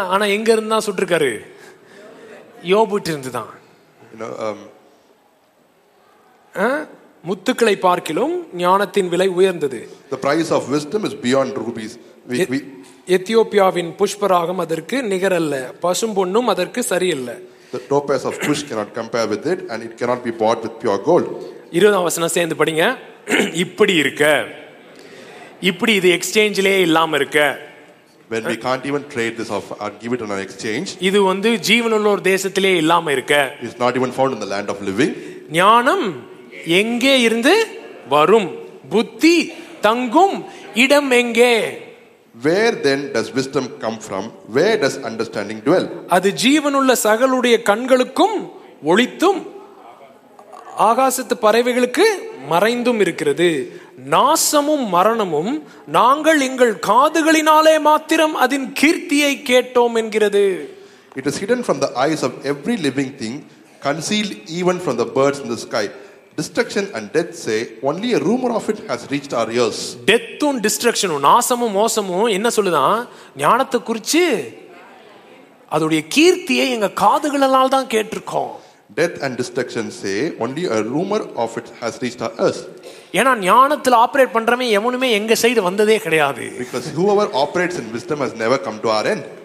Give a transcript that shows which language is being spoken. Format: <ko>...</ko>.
<ta>ஆனா எங்க இருந்து தான் சுட்டிருக்காரு? யோபுட்டு இருந்து தான். முத்துக்களை பார்க்கிலும் ஞானத்தின் விலை உயர்ந்தது.</ta> <en>The price of wisdom is beyond rupees.</en> <ta>எத்தியோப்பியாவின் புஷ்பராகம் அதற்கு நிகர் அல்ல, பசும் பொண்ணும் அதற்கு சரியில்லை.</ta> <en>The topaz of Kush cannot compare with it and it cannot be bought with pure gold.</en> <ta>20 வசனம் சேர்ந்து படிங்க. இப்படி இருக்க, இப்படி இது எக்ஸ்சேஞ்சிலே இல்லாம இருக்க,</ta> <en>when we can't even trade this off or give it on an exchange,</en> <ta>இது வந்து ஜீவனுள்ள ஒரு தேசத்திலே இல்லாம இருக்க,</ta> <en>it's not even found in the land of living.</en> <ta>ஞானம் எங்கே இருந்து வரும்? புத்தி தங்கும் இடம் எங்கே?</ta> <en>Where then does wisdom come from? Where does understanding dwell?</en> <ta>அது ஜீவனுள்ள சகலுடைய கண்களுக்கும் ஒளித்தும் ஆகாசத்து பறவைகளுக்கு மறைந்தும் இருக்கிறது. நாசமும் மரணமும் நாங்கள் எங்கள் காதுகளினாலே மாத்திரம் அதின் கீர்த்தியை கேட்டோம் என்கிறது.</ta> <en>It is hidden from the eyes of every living thing, concealed even from the birds in the sky. Destruction and death say only a rumor of it has reached our ears. Death and destruction,</en> <ta>நாசமும் மோசமும் என்ன சொல்லுதா? ஞானத்தை குறித்து அதோட கீர்த்தியை எங்க காதுகளால தான் கேட்டிருக்கோம்.</ta> <en>Death and destruction say only a rumor of it has reached our ears.</en> <ta>ஏனா ஞானத்துல ஆபரேட் பண்றமே எவனுமே எங்க செய்து வந்ததே கிடையாது.</ta> <en>Because whoever operates in wisdom has never come to our end.</en>